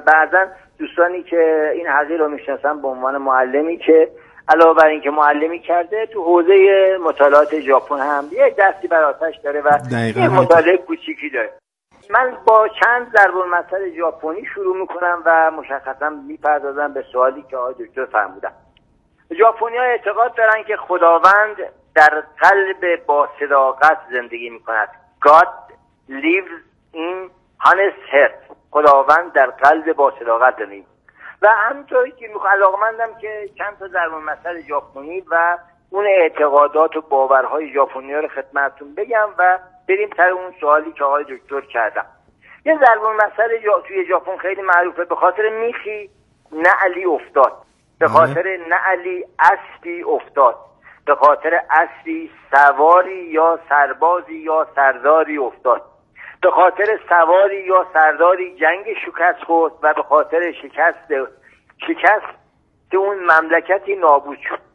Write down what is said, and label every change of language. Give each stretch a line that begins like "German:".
Persian: بعدن دوستانی که این حقیق رو میشناسن به عنوان معلمی که علاوه بر این که معلمی کرده تو حوزه مطالعات ژاپن هم یه دستی بر آتش داره و یه مطالعه کوچیکی داره. من با چند ضرب المثل ژاپنی شروع میکنم و مشخصا میپردازم به سوالی که آقای دکتر فرمودن. ژاپنی‌ها اعتقاد دارن که خداوند در قلب با صداقت زندگی میکند.
English: God lives in honest heart.
Persian: خداوند در قلب با صداقت زندگی. و همونطوری که میخوام علاقمندم که چند تا ضرب المثل ژاپنی و اون اعتقادات و باورهای ژاپنی‌ها رو خدمتتون بگم و بریم سر اون سوالی که آقای دکتر کردم. یه ضرب المثل توی ژاپن خیلی معروفه: به خاطر میخی نعلی افتاد، به خاطر نعلی اسبی افتاد، به خاطر اسبی سواری یا سربازی یا سرداری افتاد، به خاطر سواری یا سرداری جنگ شکست خورد و به خاطر شکست اون مملکتی نابود شد.